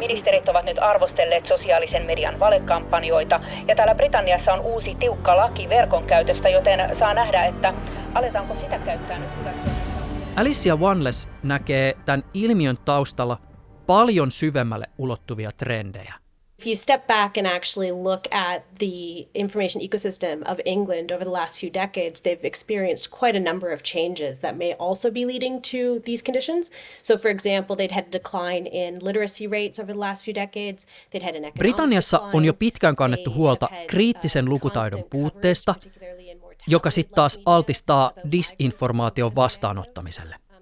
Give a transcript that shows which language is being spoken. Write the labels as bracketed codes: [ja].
[fi] Ministerit ovat nyt arvostelleet sosiaalisen median valekampanjoita. Ja täällä Britanniassa on uusi tiukka laki verkon käytöstä, joten saa nähdä, että aletaanko sitä käyttää nyt hyvä. Alicia Wanless näkee tämän ilmiön taustalla paljon syvemmälle ulottuvia trendejä. [en] If you step back and actually look at the information ecosystem of England over the last few decades, they've experienced quite a number of changes that may also be leading to these conditions. So for example, they'd had a decline in literacy rates over the last few decades. They'd had an economic [fi] Britanniassa [en] decline. [fi] On jo pitkään kannettu huolta kriittisen lukutaidon puutteesta, joka sitten taas altistaa disinformaation vastaanottamiselle.